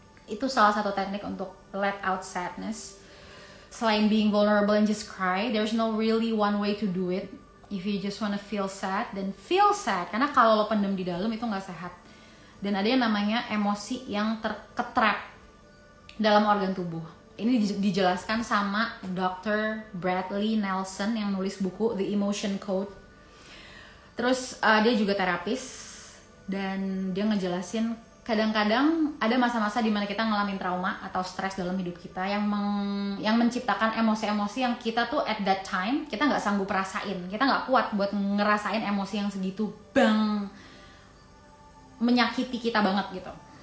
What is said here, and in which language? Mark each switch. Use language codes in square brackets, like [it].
[id] Itu salah satu teknik untuk [en] let out sadness. Selain being vulnerable and just cry, there's no really one way to do it. If you just wanna feel sad, then feel sad. [id] Karena kalau lo pendem di dalam itu gak sehat. Dan ada yang namanya emosi yang terketrap dalam organ tubuh. Ini dijelaskan sama Dr. Bradley Nelson yang nulis buku The Emotion Code. Terus dia juga terapis dan dia ngejelasin kadang-kadang ada masa-masa di mana kita ngalamin trauma atau stres dalam hidup kita yang menciptakan emosi-emosi yang kita tuh [en] at that time [id] kita nggak sanggup rasain, kita nggak kuat buat ngerasain emosi yang segitu bang menyakiti kita banget gitu.